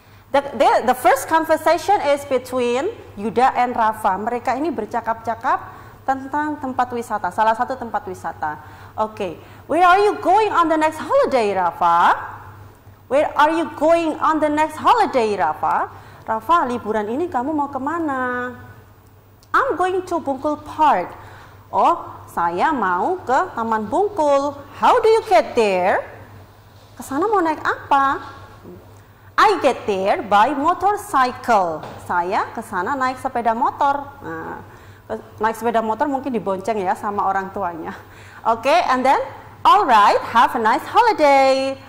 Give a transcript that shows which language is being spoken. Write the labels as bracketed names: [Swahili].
[English] The first conversation is between Yuda and Rafa. [Indonesian] Mereka ini bercakap-cakap tentang tempat wisata, salah satu tempat wisata. [English] Okay, where are you going on the next holiday, Rafa? Where are you going on the next holiday, Rafa? [Indonesian] Rafa, liburan ini kamu mau kemana? [English] I'm going to Bungkul Park. [Indonesian] Oh, saya mau ke Taman Bungkul. [English] How do you get there? [Indonesian] Kesana mau naik apa? [English] I get there by motorcycle. [Indonesian] Saya kesana naik sepeda motor. Naik sepeda motor mungkin dibonceng ya sama orang tuanya. [English] Okay, and then, all right, have a nice holiday.